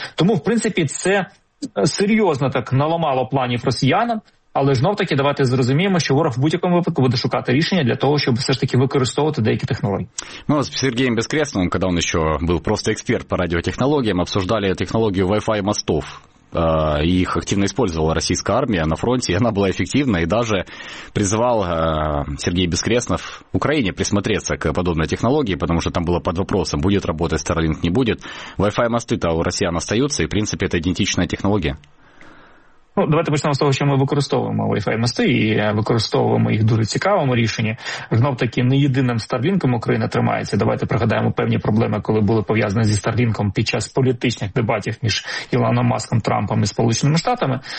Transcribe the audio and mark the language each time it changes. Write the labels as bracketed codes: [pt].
[uk] Тому, в принципі, це серйозно так наламало планів росіянам, але знов-таки давайте зрозуміємо, що ворог в будь-якому випадку буде шукати рішення для того, щоб все ж таки використовувати деякі технології. Ми з Сергієм Безкресним, коли він ще був просто експерт по радіотехнологіям, [ru] обсуждали [uk] технологію Wi-Fi мостів. [ru] Их активно использовала российская армия на фронте, и она была эффективна, и даже призывал Сергей Бескреснов Украине присмотреться к подобной технологии, потому что там было под вопросом, будет работать Starlink, не будет. Wi-Fi мосты-то у россиян остаются, и в принципе это идентичная технология. [uk] Ну, давайте почнемо з того, що ми використовуємо Wi-Fi мости і використовуємо їх дуже цікавому рішенні. Знов таки, не єдиним Starlink-ом Україна тримається. Давайте пригадаємо певні проблеми, коли були пов'язані зі Starlink-ом під час політичних дебатів між Ілоном Маском, Трампом і Сполученими Штатами.